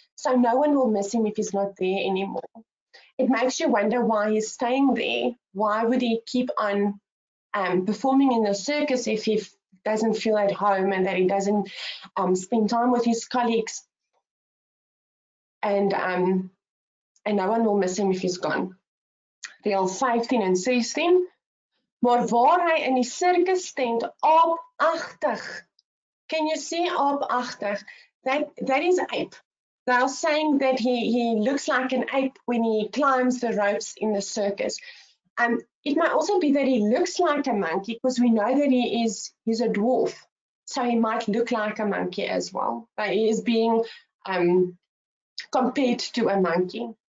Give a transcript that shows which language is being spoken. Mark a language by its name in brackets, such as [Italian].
[English] So no one will miss him if he's not there anymore. It makes you wonder why he's staying there. Why would he keep on performing in the circus if he doesn't feel at home and that he doesn't spend time with his colleagues and no one will miss him if he's gone. Reel 15 and 16. [Afrikaans] Maar waar hy in die circus stand, aapachtig. [English] Can you see aapachtig? That is ape. They are saying that he looks like an ape when he climbs the ropes in the circus. It might also be that he looks like a monkey because we know that he's a dwarf. So he might look like a monkey as well. But he is being compared to a monkey.